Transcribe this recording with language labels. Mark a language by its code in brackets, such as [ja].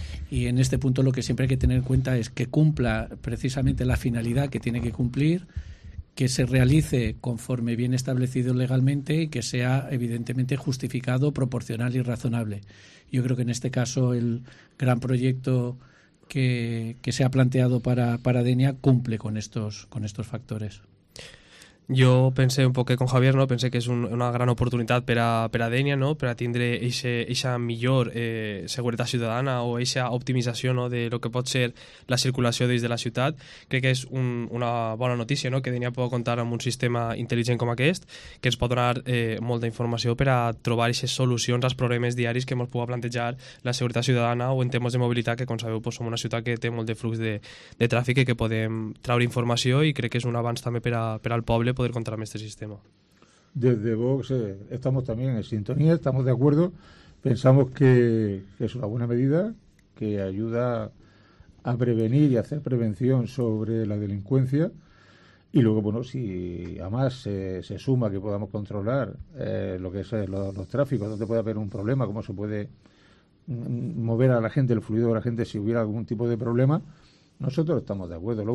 [es] Y en este punto lo que siempre hay que tener en cuenta es que cumpla precisamente la finalidad que tiene que cumplir, que se realice conforme bien establecido legalmente y que sea evidentemente justificado, proporcional y razonable. Yo creo que en este caso el gran proyecto que se ha planteado para Denia cumple con estos factores. [ca] Jo pensé un poquet con Javier, no? Pensé que és una gran oportunitat per a Denia, no? Per a tindre eixa millor seguretat ciutadana o eixa optimització, no? De lo que pot ser la circulació des de la ciutat. Crec que és una bona notícia, no? Que Denia pot comptar amb un sistema intel·ligent com aquest, que ens pot donar molta informació per a trobar eixes solucions als problemes diaris que ens pugui plantejar la seguretat ciutadana o en temes de mobilitat, que com sabeu, pues, som una ciutat que té molt de flux de tràfic i que podem traure informació, i crec que és un avanç també per al poble poder contarme este sistema. [es] Desde Vox estamos también en sintonía, estamos de acuerdo, pensamos que es una buena medida que ayuda a prevenir y hacer prevención sobre la delincuencia, y luego, bueno, si además se suma que podamos controlar lo que es los tráficos, donde puede haber un problema, cómo se puede mover a la gente, el fluido de la gente si hubiera algún tipo de problema, nosotros estamos de acuerdo.